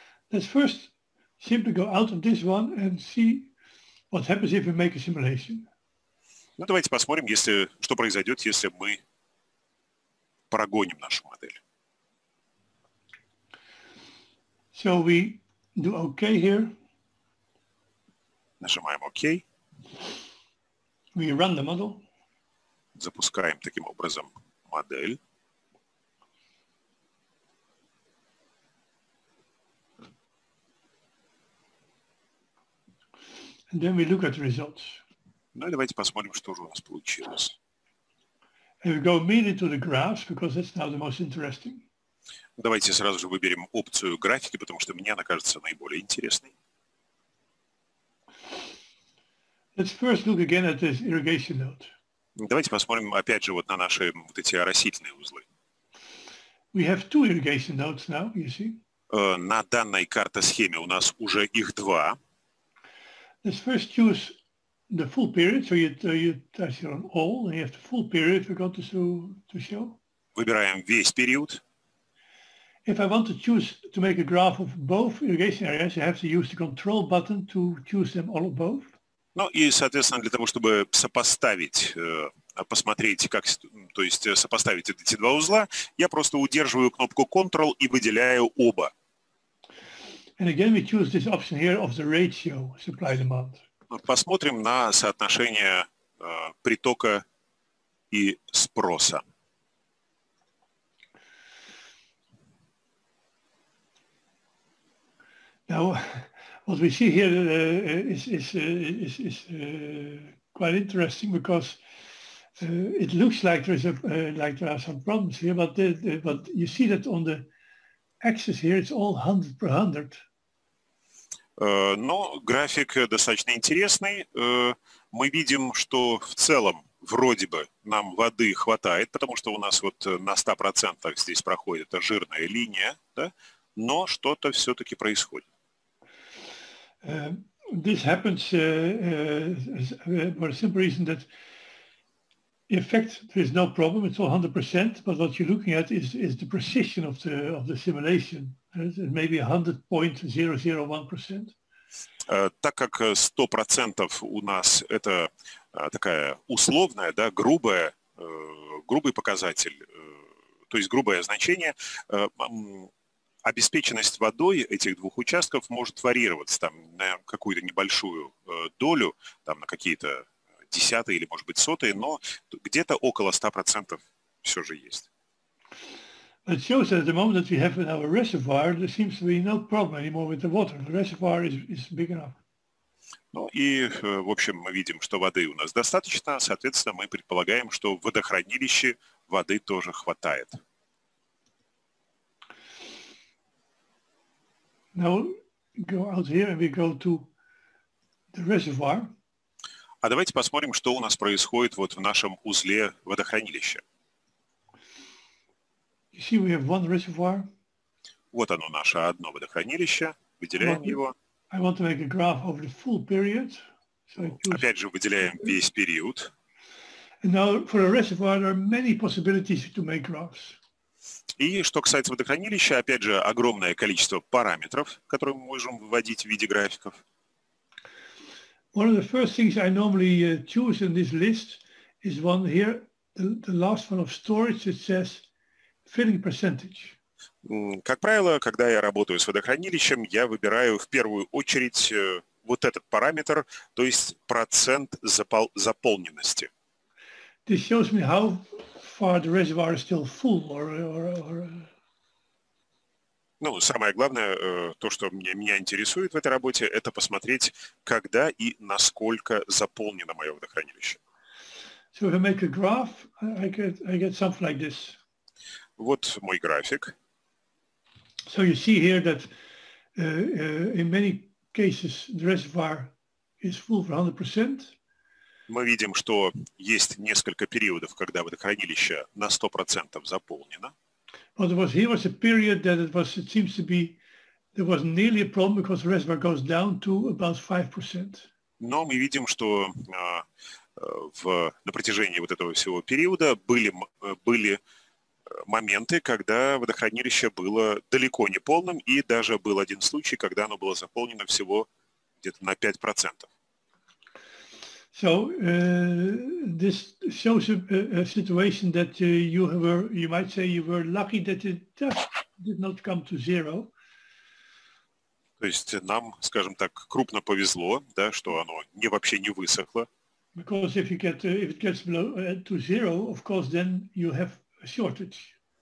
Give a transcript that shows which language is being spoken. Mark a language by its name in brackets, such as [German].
[English] Let's first simply go out of this one and see what happens if we make a simulation. [Russian] Ну давайте посмотрим, если что произойдет, если мы прогоним нашу модель. [English] So we do OK here. [Russian] Нажимаем OK. [English] We run the model. [Russian] Запускаем таким образом модель. [English] And then we look at the results. [Russian] Ну и давайте посмотрим, что же у нас получилось. [English] And we go immediately to the graphs, because that's now the most interesting. [Russian] Давайте сразу же выберем опцию графики, потому что мне она кажется наиболее интересной. [English] Let's first look again at this irrigation node. [Russian] Давайте посмотрим опять же вот на наши вот эти оросительные узлы. [English] We have two irrigation nodes now, you see. [Russian] На данной карто-схеме у нас уже их два. [English] Let's first choose the full period, so you touch on all, and you have the full period we're going to show. [Russian] Выбираем весь период. [English] If I want to choose to make a graph of both irrigation areas, I have to use the control button to choose them all both. [Russian] Ну и, соответственно, для того, чтобы сопоставить, посмотреть, как, то есть сопоставить эти два узла, я просто удерживаю кнопку Ctrl и выделяю оба. [English] And again we choose this option here of the ratio supply demand. [Russian] Посмотрим на соотношение притока и спроса. [English] Now... What we see here is quite interesting because it looks like there is a like there are some problems here, but but you see that on the axis here it's all 100 per 100. [Russian] Но график достаточно интересный. Мы видим, что в целом вроде бы нам воды хватает, потому что у нас вот на 100% здесь проходит эта жирная линия, да? Но что-то все-таки происходит. [English] This happens for a simple reason that in fact there is no problem, it's all 100%, but what you're looking at is the precision of the simulation. It may be 100.001%. [Russian] Так как 100% у нас это такая условная, да, грубая, грубый показатель, то есть грубое значение, обеспеченность водой этих двух участков может варьироваться там на какую-то небольшую долю, там на какие-то десятые или, может быть, сотые, но где-то около 100% все же есть. [English] It shows that at the moment that we have in our reservoir, there seems to be no problem anymore with the water. The reservoir is big enough. [Russian] Ну и, в общем, мы видим, что воды у нас достаточно, соответственно, мы предполагаем, что в водохранилище воды тоже хватает. [English] Now go out here and we go to the reservoir. [Russian] А давайте посмотрим, что у нас происходит вот в нашем узле водохранилища. [English] You see, we have one reservoir. [Russian] Вот оно наше одно водохранилище. Выделяем его. [English] I want to make a graph over the full period. So I choose... [Russian] Опять же, выделяем весь период. [English] And now for a reservoir there are many possibilities to make graphs. [Russian] И что касается водохранилища, опять же, огромное количество параметров, которые мы можем выводить в виде графиков. [English] One of the first things I normally choose in this list is one here, the last one of storage, it says filling percentage. [Russian] Как правило, когда я работаю с водохранилищем, я выбираю в первую очередь вот этот параметр, то есть процент заполненности. [English] This shows me how far the reservoir is still full. Or... [Russian] Ну, самое главное, то, что меня интересует в этой работе, это посмотреть, когда и насколько заполнено мое водохранилище. [English] So if I make a graph, I get something like this. [Russian] Вот мой график. [English] So you see here that in many cases the reservoir is full for 100%. [Russian] Мы видим, что есть несколько периодов, когда водохранилище на 100% заполнено. [English] But here was a period that it seems to be there was nearly a problem because the reservoir goes down to about 5%. [Russian] Но мы видим, что на протяжении вот этого всего периода были моменты, когда водохранилище было далеко не полным, и даже был один случай, когда оно было заполнено всего где-то на 5%. [English] So, this shows a situation that you might say you were lucky that it just did not come to zero. [Russian] То есть нам, скажем так, крупно повезло, да, что оно вообще не высохло. [English] Because if it gets below to zero, of course, then you have a shortage.